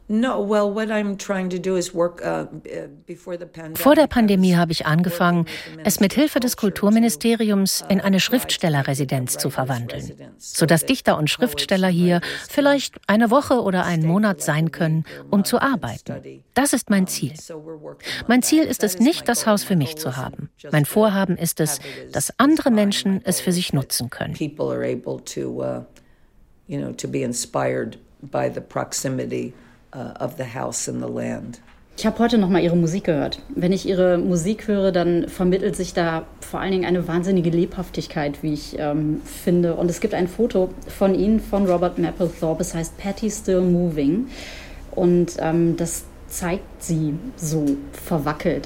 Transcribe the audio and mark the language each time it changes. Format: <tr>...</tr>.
<en>No, well, what I'm trying to do is work before the pandemic.</en> <de>Vor der Pandemie habe ich angefangen, es mit Hilfe des Kulturministeriums in eine Schriftstellerresidenz zu verwandeln, sodass Dichter und Schriftsteller hier vielleicht eine Woche oder einen Monat sein können, um zu arbeiten. Das ist mein Ziel. Mein Ziel ist es nicht, das Haus für mich zu haben. Mein Vorhaben ist es, dass andere Menschen es für sich nutzen können.</de> <en>People are able to, you know, to be inspired by the proximity of the house and the land.</en> <de>Ich habe heute noch mal Ihre Musik gehört. Wenn ich Ihre Musik höre, dann vermittelt sich da vor allen Dingen eine wahnsinnige Lebhaftigkeit, wie ich finde. Und es gibt ein Foto von Ihnen, von Robert Mapplethorpe. Es heißt Patty Still Moving. Und das zeigt Sie so verwackelt.</de>